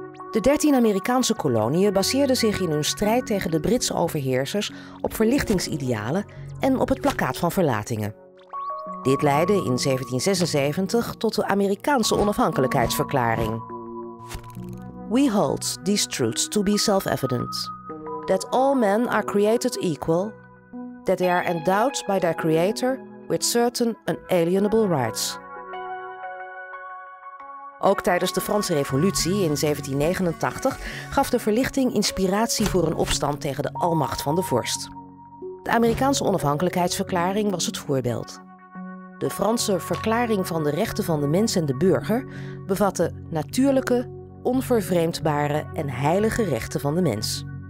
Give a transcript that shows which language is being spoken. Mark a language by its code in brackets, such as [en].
[nl] De 13 Amerikaanse koloniën baseerden zich in hun strijd tegen de Britse overheersers op verlichtingsidealen en op het plakkaat van Verlatingen. Dit leidde in 1776 tot de Amerikaanse onafhankelijkheidsverklaring. [en] "We hold these truths to be self-evident. That all men are created equal. That they are endowed by their creator with certain unalienable rights." [nl] Ook tijdens de Franse Revolutie in 1789 gaf de verlichting inspiratie voor een opstand tegen de almacht van de vorst. De Amerikaanse onafhankelijkheidsverklaring was het voorbeeld. De Franse Verklaring van de Rechten van de Mens en de Burger bevatte natuurlijke, onvervreemdbare en heilige rechten van de mens.